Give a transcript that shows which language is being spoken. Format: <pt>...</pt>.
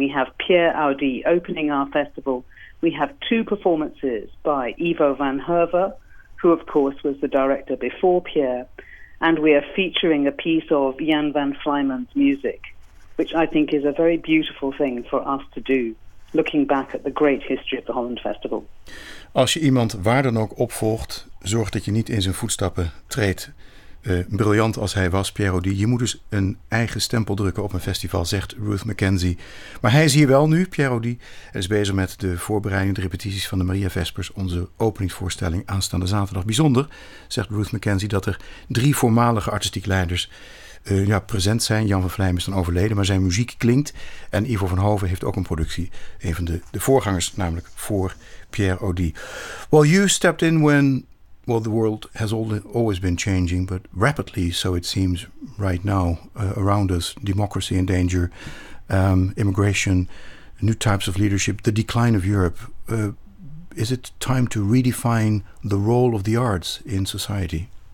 <en>We have Pierre Audi opening our festival. We have 2 performances by Ivo van Herve, who of course was the director before Pierre, and we are featuring a piece of Jan van Flyman's music, which I think is a very beautiful thing for us to do, looking back at the great history of the Holland Festival.</en> <nl>Als je iemand waar dan ook opvolgt, zorg dat je niet in zijn voetstappen treedt. Briljant als hij was, Pierre Audi. Je moet dus een eigen stempel drukken op een festival, zegt Ruth Mackenzie. Maar hij is hier wel nu, Pierre Audi. Hij is bezig met de voorbereiding, de repetities van de Maria Vespers, onze openingsvoorstelling aanstaande zaterdag. Bijzonder, zegt Ruth Mackenzie, dat er 3 voormalige artistiek leiders present zijn. Jan van Vlijm is dan overleden, maar zijn muziek klinkt. En Ivo van Hoven heeft ook een productie, een van de voorgangers, namelijk voor Pierre Audi.</nl> <en>Well, you stepped in when... Well, the world has always been changing, but rapidly, so it seems, right now, around us, democracy in danger, immigration, new types of leadership, the decline of Europe. Is it time to redefine the role of the arts in society?</en>